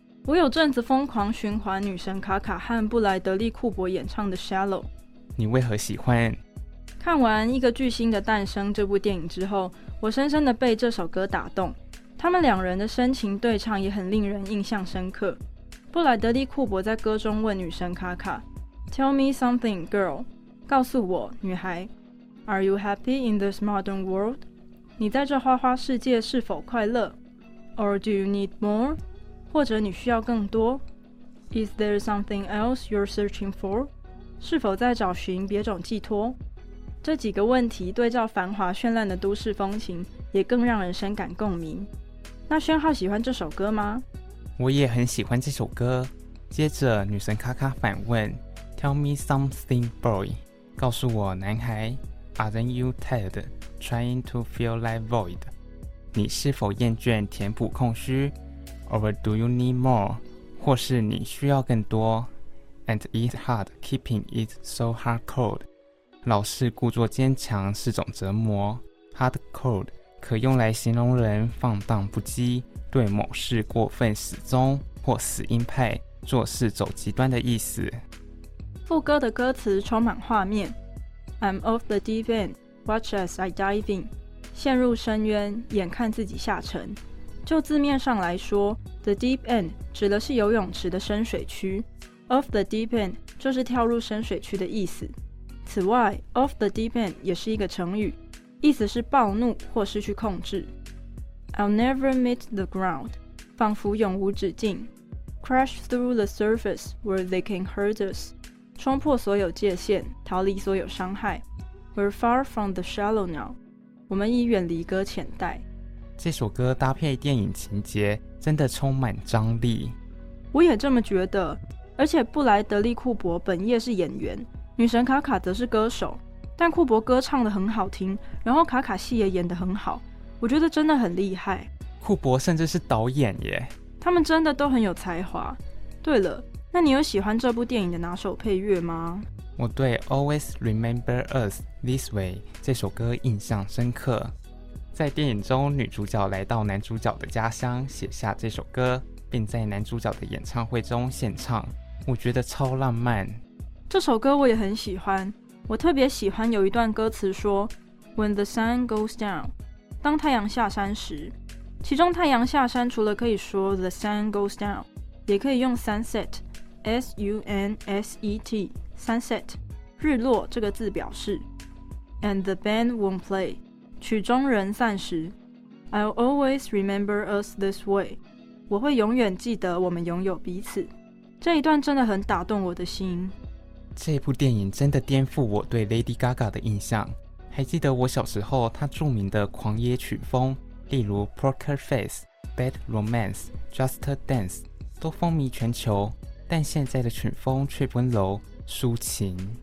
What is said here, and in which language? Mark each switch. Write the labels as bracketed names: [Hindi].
[Chinese] 我有阵子疯狂循环女神卡卡和布莱德利库珀演唱的 Shallow。你为何喜欢？看完《一个巨星的诞生》这部电影之后，我深深的被这首歌打动，他们两人的深情对唱也很令人印象深刻。布莱德利库珀在歌中问女神卡卡 [English] Tell me something girl， [Chinese] 告诉我女孩， [English] Are you happy in this modern world？ [Chinese] 你在这花花世界是否快乐？ [English] Or do you need more？ [Chinese] 或者你需要更多？ [English] Is there something else you're searching for？ [Chinese] 是否在找寻别种寄托？这几个问题对照繁华绚烂的都市风情，也更让人深感共鸣。那轩浩喜欢这首歌吗？我也很喜欢这首歌。接着女神卡卡反问 [English] Tell me something boy， [Chinese] 告诉我男孩， [English] Aren't you tired trying to fill that void？ [Chinese] 你是否厌倦填补空虚？ [English] Or do you need more？ [Chinese] 或是你需要更多？ [English] And it's hard keeping it so hard cold， [Chinese] 老是故作坚强是种折磨。 Hard cold可用来形容人放荡不羁，对某事过分始终，或死硬派，做事走极端的意思。副歌的歌词充满画面 [English] I'm off the deep end, watch as I dive in， [Chinese] 陷入深渊，眼看自己下沉。就字面上来说， The deep end 指的是游泳池的深水区， [English] Off the deep end [Chinese] 就是跳入深水区的意思。此外， [English] Off the deep end [Chinese] 也是一个成语，意思是暴怒或失去控制。 [English] I'll never meet the ground， [Chinese] 仿佛永无止境。 [English] Crash through the surface where they can hurt us， [Chinese] 冲破所有界限，逃离所有伤害。 [English] We're far from the shallow now， [Chinese] 我们已远离搁浅带。这首歌搭配电影情节真的充满张力。我也这么觉得，而且布莱德利库珀本业是演员，女神卡卡则是歌手，但库珀歌唱得很好听，然后卡卡戏也演得很好，我觉得真的很厉害。库珀甚至是导演耶，他们真的都很有才华。对了，那你有喜欢这部电影的哪首配乐吗？我对 [English] Always Remember Us This Way [Chinese] 这首歌印象深刻。在电影中，女主角来到男主角的家乡写下这首歌，并在男主角的演唱会中献唱，我觉得超浪漫。这首歌我也很喜欢，我特别喜欢有一段歌词说 [English] When the sun goes down， [Chinese] 当太阳下山时。其中太阳下山除了可以说 [English] The sun goes down， [Chinese] 也可以用 sunset， S-U-N-S-E-T， sunset， 日落这个字表示。 [English] And the band won't play， [Chinese] 曲终人散时。 [English] I'll always remember us this way， [Chinese] 我会永远记得我们拥有彼此。这一段真的很打动我的心。这部电影真的颠覆我对 Lady Gaga 的印象。还记得我小时候她著名的狂野曲风，例如 Poker Face、 Bad Romance、 Just Dance 都风靡全球，但现在的曲风却温柔抒情，